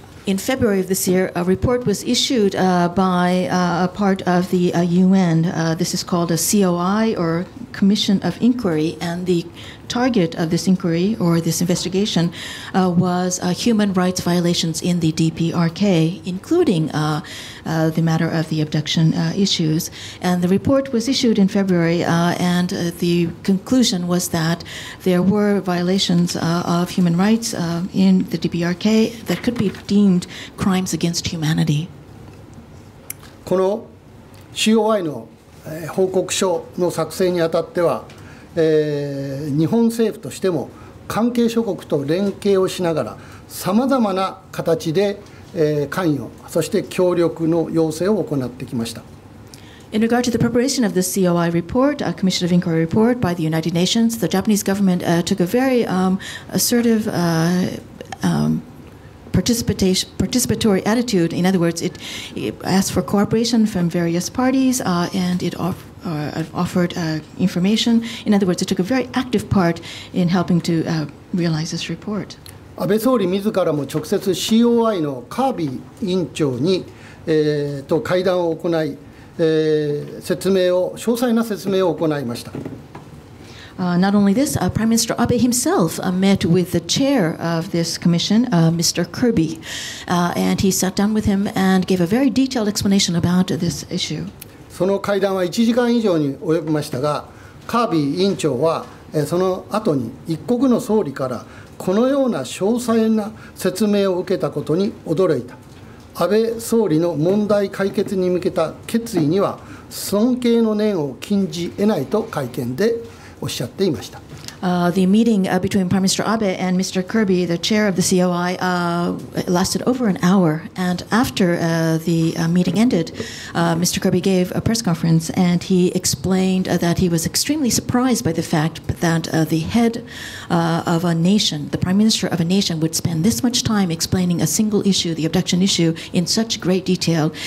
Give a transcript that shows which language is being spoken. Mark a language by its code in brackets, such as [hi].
[en] In February of this year, a report was issued by a part of the UN. This is called a COI, or Commission of Inquiry, and the target of this inquiry, or this investigation, was human rights violations in the DPRK, including the matter of the abduction issues. And the report was issued in February, and the conclusion was that there were violations of human rights in the DPRK that could be deemed crimes against humanity. [ja] この COI の報告書の作成にあたっては、日本政府としても関係諸国と連携をしながら、さまざまな形で関与、そして協力の要請を行ってきました。 [en] In regard to the preparation of the COI report, a Commission of Inquiry report by the United Nations, the Japanese government took a very assertive participatory attitude. In other words, it asked for cooperation from various parties and it offered information. In other words, it took a very active part in helping to realize this report. [ja] 安倍総理自らも直接 COI のカービー委員長に、と会談を行い、詳細な説明を行いました。 [en] Not only this, Prime Minister Abe himself met with the chair of this commission, Mr. Kirby, and he sat down with him and gave a very detailed explanation about this issue. [ja] その会談は1時間以上に及びましたが、カービー委員長はその後に一国の総理からこのような詳細な説明を受けたことに驚いた。安倍総理の問題解決に向けた決意には尊敬の念を禁じ得ないと会見でおっしゃっていました。 [en] The meeting between Prime Minister Abe and Mr. Kirby, the chair of the COI, lasted over an hour. And after the meeting ended, Mr. Kirby gave a press conference, and he explained that he was extremely surprised by the fact that the head of a nation, the Prime Minister of a nation, would spend this much time explaining a single issue, the abduction issue, in such great detail.